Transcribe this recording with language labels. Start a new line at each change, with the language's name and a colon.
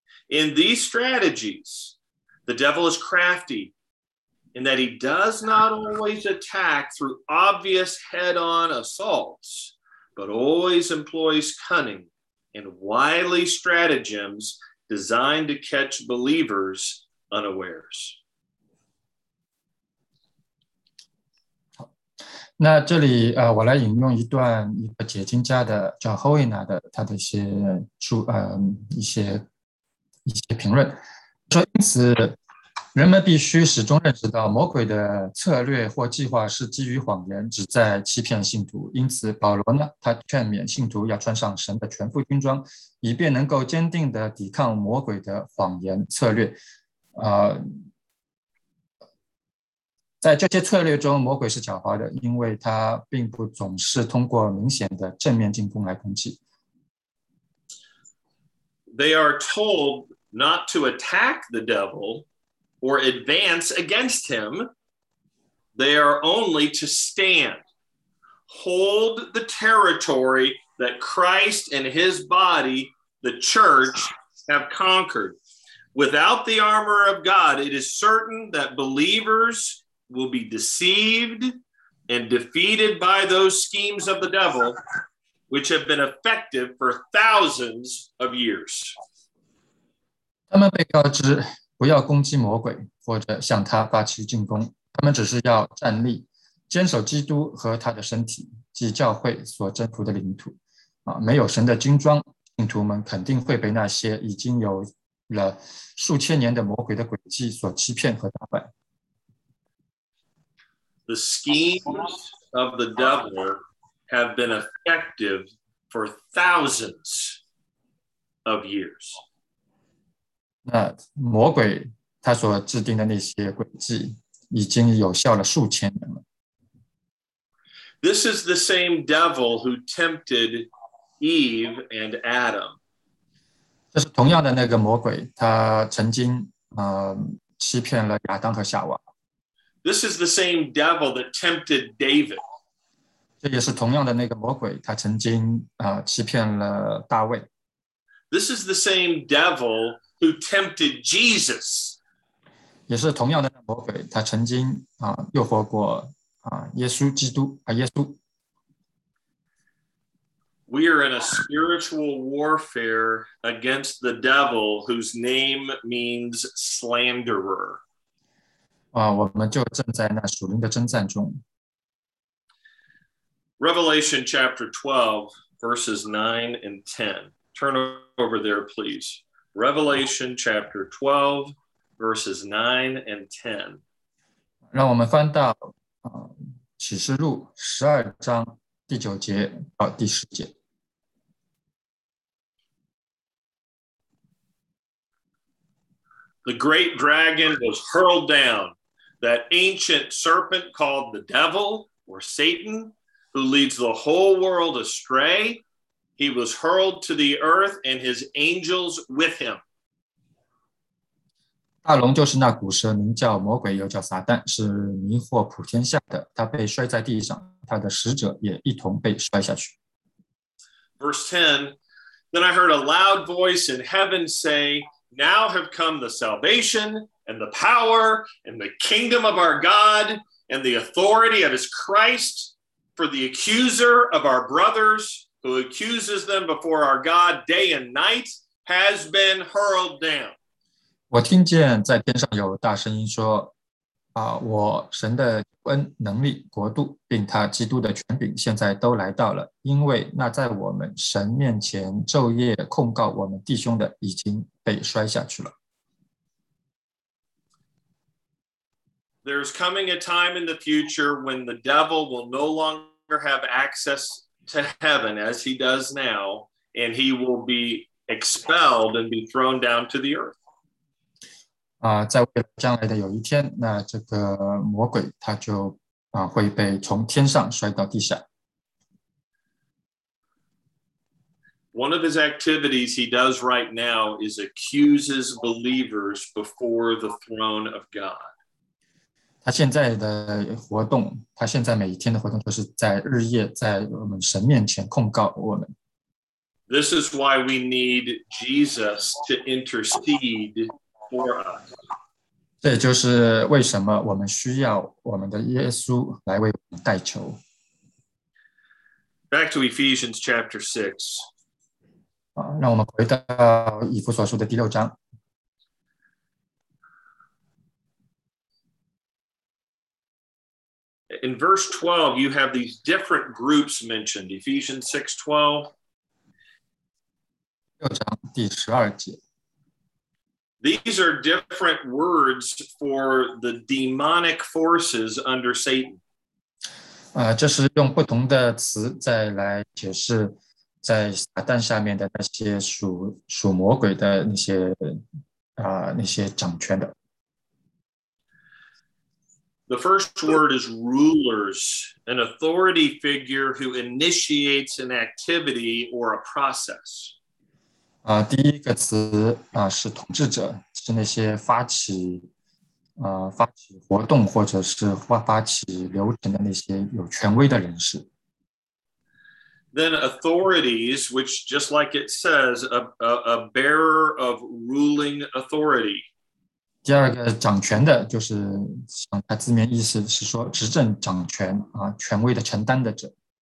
English: In these strategies, the devil is crafty in that he does not always attack through obvious head-on assaults, but always employs cunning and wily stratagems designed to catch believers unawares.
Chinese: 那这里我来引用一段一个解经家的叫 Hoiner 的他的一些评论，说因此人们必须始终认识到魔鬼的策略或计划是基于谎言，旨在欺骗信徒。因此保罗呢，他劝勉信徒要穿上神的全副军装，以便能够坚定地抵抗魔鬼的谎言策略。在这些策略中，魔鬼是狡猾的，因为他并不总是通过明显的正面进攻来攻击。
English: They are told not to attack the devil or advance against him. They are only to stand, hold the territory that Christ and his body, the church, have conquered. Without the armor of God, it is certain that believers. Will be deceived and defeated by those schemes of the devil, which have been effective for thousands of years.
Chinese: 他们被告知不要攻击魔鬼或者向他发起进攻，他们只是要站立，坚守基督和他的身体，即教会所征服的领土。没有神的军装，信徒们肯定会被那些已经有了数千年的魔鬼的诡计所欺骗和打败。
English: The schemes of the devil have been effective for thousands of years.
Chinese: 那魔鬼他所制定的那些诡计已经有效了数千年了。
English: This is the same devil who tempted Eve and Adam.
Chinese: 这是同样的那个魔鬼，他曾经欺骗了亚当和夏娃。
English: This is the same devil that tempted David.
Chinese: 这也是同样的那个魔鬼，他曾经欺骗了大卫。
English: This is the same devil who tempted Jesus.
Chinese: 也是同样的魔鬼，他曾经诱惑过耶稣基督耶稣。
English: We are in a spiritual warfare against the devil whose name means slanderer.
Chinese: 我们就正在那属灵的征战中。
English: Revelation chapter 12, verses 9 and 10. Turn over there, please. Revelation chapter 12, verses 9 and 10.
Chinese: 让我们翻到启示录十二章第九节到第十节。
English: The great dragon was hurled down, that ancient serpent called the devil or Satan, who leads the whole world astray. He was hurled to the earth and his angels with him.
Chinese: 大龙就是那古蛇，名叫魔鬼，又叫撒旦，是迷惑普天下的。他被摔在地上，他的使者也一同被摔下去。
English: Verse 10, then I heard a loud voice in heaven say, Now have come the salvation and the power and the kingdom of our God and the authority of his Christ, for the accuser of our brothers, who accuses them before our God day and night, has been hurled down.
Chinese: 我听见在天上有大声音说，我神的恩、能力、国度，并他基督的权柄现在都来到了，因为那在我们神面前昼夜控告我们弟兄的已经被摔下去了。
English: There's coming a time in the future when the devil will no longer have access to heaven as he does now, and he will be expelled and be thrown down to the earth.
Chinese: 在未来将来的有一天，那这个魔鬼他就会被从天上摔到地下。
English: One of his activities he does right now is accuses believers before the throne of God.
Chinese: 他现在的活动，他现在每一天的活动，就是在日夜在我们神面前控告我们。
English: This is why we need Jesus to intercede for us.
Chinese: 这也就是为什么我们需要我们的耶稣来为我们代求。
English: Back to Ephesians chapter 6.
Chinese: 让我们回到以弗所书的第六章。
English: In verse 12, you have these different groups mentioned. Ephesians 6:12.
Chinese: 六章第十二节。
English: These are different words for the demonic forces under Satan.
Chinese: 这是用不同的词再来解释在撒旦下面的那些属魔鬼的那些掌权的。
English: The first word is rulers, an authority figure who initiates an activity or a process.
Chinese: 第一个词是统治者，是那些发起活动或者是发起流程的那些有权威的人士。
English: Then authorities, which just like it says, a bearer of ruling authority.
Chinese: 第二个掌权的就是像他字面意思是说执政掌权权威的承担的者。